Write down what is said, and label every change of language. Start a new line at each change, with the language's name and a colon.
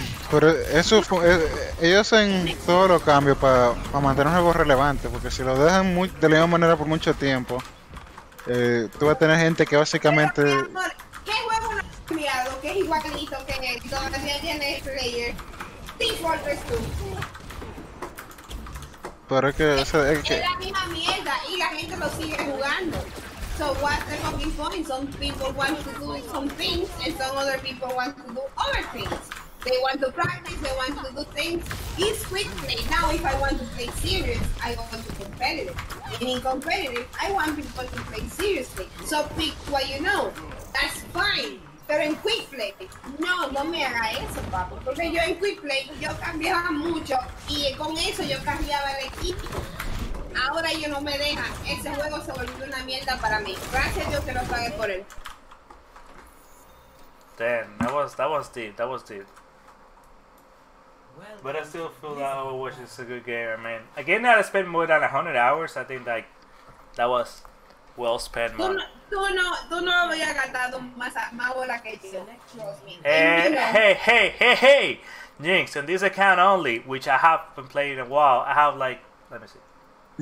Spanish: Pero eso ellos hacen todos los cambios para mantener un juego relevante, porque si lo dejan muy, de la misma manera por mucho tiempo, tú vas a tener gente que básicamente... Pero, mi amor, ¿qué juego no has creado que es igualito que todavía tiene player?
English: Team Fortress 2.
Spanish: Pero es que... O sea, es la misma mierda y la gente lo sigue jugando.
English: So what's the fucking point? Some people want to do some things and some other people want to do other things. They want to practice, they want to do things. It's quick play. Now if I want to play serious, I want to competitive. And in competitive, I want people to play seriously. So pick what you know. That's fine.
Spanish: Pero en quick play, no, no me haga eso, papo. Porque yo en quick play, yo cambiaba mucho. Y con eso yo cambiaba el equipo. Ahora yo no me deja. Ese juego se volvió una mierda para mí. Gracias a Dios que lo pagué por él.
English: Damn, that was deep, that was deep. But I still feel that Overwatch is a good game. I mean, a game that I spent more than 100 hours, I think like that was well spent.
Spanish: Tú no había gastado más bola que yo.
English: Hey, Jinx, on this account only, which I haven't played in a while, I have like, let me see.